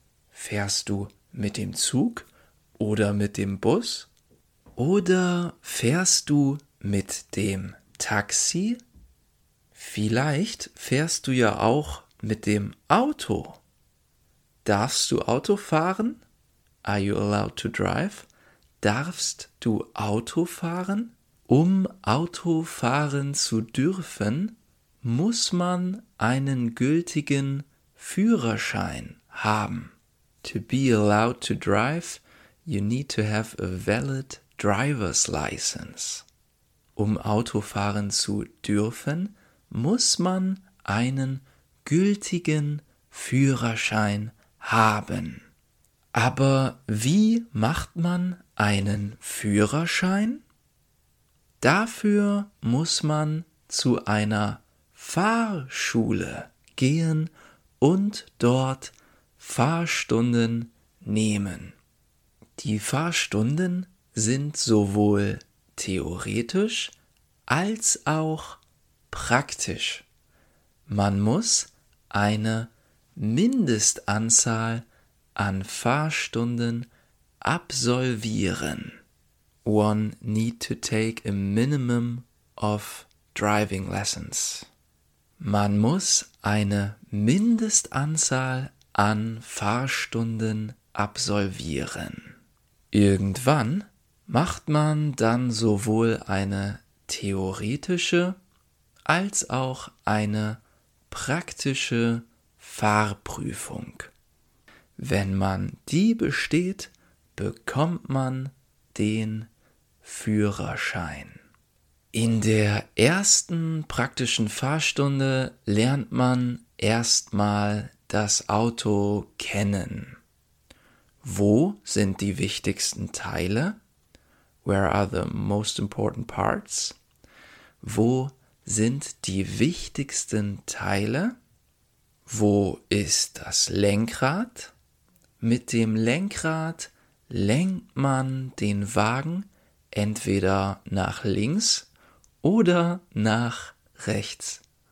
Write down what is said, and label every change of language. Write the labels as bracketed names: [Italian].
[German] Fährst du mit dem Zug oder mit dem Bus? Oder fährst du mit dem Taxi? Vielleicht fährst du ja auch mit dem Auto. Darfst du Auto fahren? [English] Are you allowed to drive? [German] Darfst du Auto fahren? Um Auto fahren zu dürfen, muss man einen gültigen Führerschein haben. [English] To be allowed to drive, you need to have a valid driver's license. [German] Um Auto fahren zu dürfen, muss man einen gültigen Führerschein haben. Aber wie macht man einen Führerschein? Dafür muss man zu einer Fahrschule gehen und dort Fahrstunden nehmen. Die Fahrstunden sind sowohl theoretisch als auch praktisch. Man muss eine Mindestanzahl an Fahrstunden absolvieren. [English] One need to take a minimum of driving lessons. [German] Man muss eine Mindestanzahl an Fahrstunden absolvieren. Irgendwann macht man dann sowohl eine theoretische als auch eine praktische Fahrprüfung. Wenn man die besteht, bekommt man den Führerschein. In der ersten praktischen Fahrstunde lernt man erstmal das Auto kennen. Wo sind die wichtigsten Teile? [English] Where are the most important parts? [German] Wo sind die wichtigsten Teile? Wo ist das Lenkrad? Mit dem Lenkrad lenkt man den Wagen entweder nach links oder nach rechts.